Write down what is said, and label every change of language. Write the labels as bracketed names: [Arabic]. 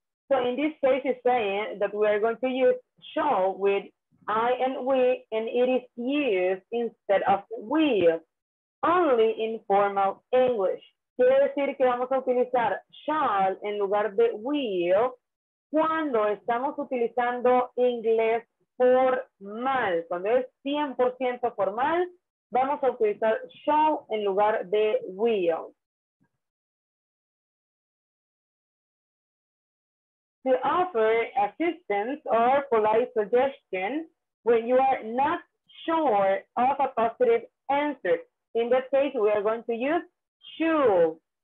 [English] So in this case, it's saying that we are going to use shall with I and we, and it is used instead of we, only in formal English. [Spanish] Quiere decir que vamos a utilizar shall en lugar de will cuando estamos utilizando inglés formal. Cuando es 100% formal, vamos a utilizar shall en lugar de will. [English] To offer assistance or polite suggestion when you are not sure of a positive answer. In that case, we are going to use should.